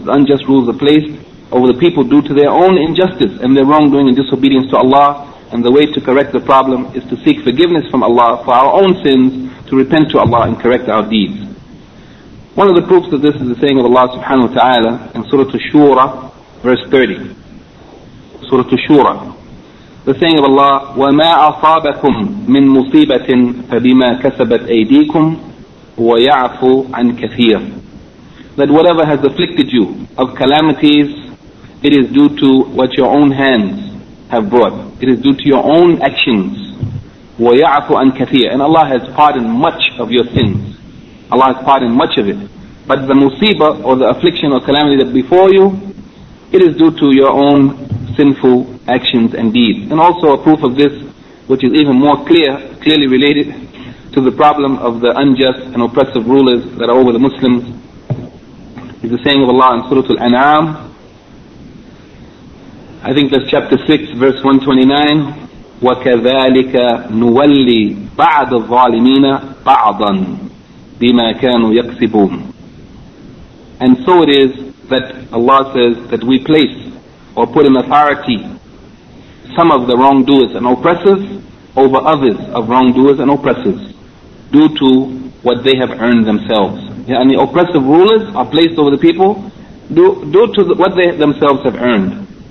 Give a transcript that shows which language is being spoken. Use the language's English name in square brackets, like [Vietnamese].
[English] The unjust rulers are placed over the people due to their own injustice and their wrongdoing and disobedience to Allah, and the way to correct the problem is to seek forgiveness from Allah for our own sins, to repent to Allah and correct our deeds. One of the proofs of this is the saying of Allah subhanahu wa ta'ala in Surah Ash-Shura, verse 30. Surah Ash-Shura. The saying of Allah, [Arabic] وَمَا أَصَابَكُمْ مِنْ مُصِيبَةٍ فَبِمَا كَسَبَتْ أَيْدِيكُمْ وَيَعْفُ عَنْ كَثِيرٍ. [English] That whatever has afflicted you of calamities, it is due to what your own hands have brought. It is due to your own actions. [Arabic] وَيَعْفُ عَنْ كَثِيرٍ. [English] And Allah has pardoned much of your sins. Allah has pardoned much of it. But the musiba or the affliction or calamity that before you, it is due to your own sinful actions and deeds. And also a proof of this, which is even more clearly related to the problem of the unjust and oppressive rulers that are over the Muslims, is the saying of Allah in Surah Al-An'am. I think that's chapter 6, verse 129. [Arabic] وَكَذَٰلِكَ نُوَلِّي بَعْدَ الظَّالِمِينَ بَعْضًا بِمَا كَانُوا يَقْسِبُونَ. [English] And so it is that Allah says that we place or put in authority some of the wrongdoers and oppressors over others of wrongdoers and oppressors due to what they have earned themselves. And the oppressive rulers are placed over the people due to what they themselves have earned.